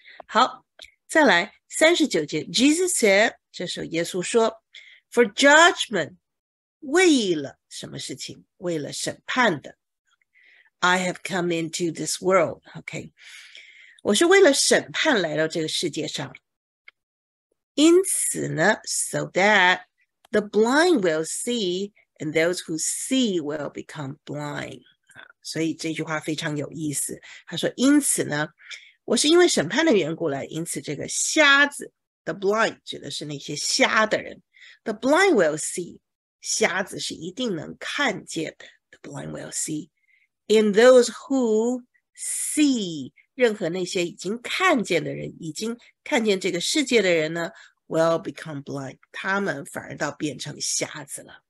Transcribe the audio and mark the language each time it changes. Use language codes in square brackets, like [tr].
[zh] 好，再来39节 ， [en] Jesus said， [zh] 这时候耶稣说。 [en] For judgment, [zh] 为了什么事情？为了审判的。 [en] I have come into this world, okay. [zh] 我是为了审判来到这个世界上。因此呢 [en] so that the blind will see and those who see will become blind. [zh] 所以这句话非常有意思。他说因此呢我是因为审判的缘故来因此这个瞎子 [en] the blind [zh] 指的是那些瞎的人。 [en] The blind will see, [zh] 瞎子是一定能看见的。 [en] The blind will see, and those who see, [zh] 任何那些已经看见的人，已经看见这个世界的人呢 ， [en] will become blind, [zh] 他们反而倒变成瞎子了。